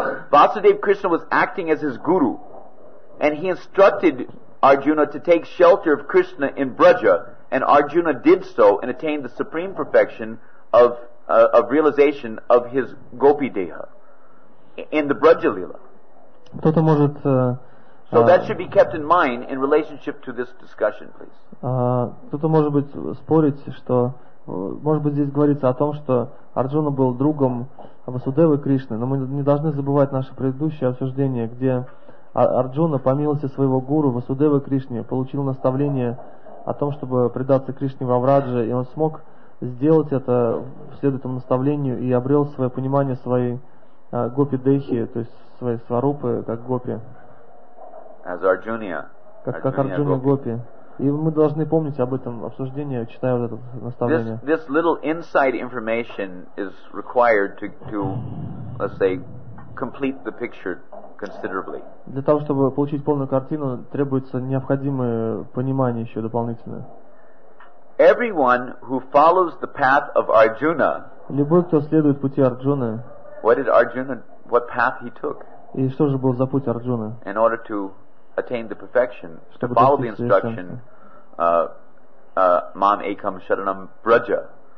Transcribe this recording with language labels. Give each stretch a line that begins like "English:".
English: Vasudeva Krishna was acting as his guru, and he instructed Arjuna to take shelter of Krishna in Braja, and Arjuna did so and attained the supreme perfection of realization of his gopi deha in the Braja Leela.
Russian: Кто-то может.
English: So that should be kept in mind in relationship to this discussion, please.
Russian: Кто-то может быть спорить, что может быть здесь говорится о том, что Арджуна был другом Васудевы Кришны, но мы не должны забывать наше предыдущее обсуждение, где Арджуна по милости своего гуру Васудевы Кришны получил наставление о том, чтобы предаться Кришне во Врадже, и он смог сделать это вслед этому наставлению и обрел свое понимание своей гопи дехи, то есть свои сварупы, как гопи.
English: As Arjuna.
Russian: Как Арджуна гопи. И мы должны помнить об этом обсуждении, читая вот это наставление.
English: This little inside information is required to let's say, complete the picture considerably.
Russian: Для того, чтобы получить полную картину, требуется необходимое понимание еще дополнительное.
English: Everyone who follows the path of Arjuna.
Russian: Любой, кто следует пути Арджуны.
English: What path he took?
Russian: И что же был за путь Арджуны?
English: In order to attain the perfection, to follow the instruction,
Sanskrit: "Mam Ekam Sharanam Braja."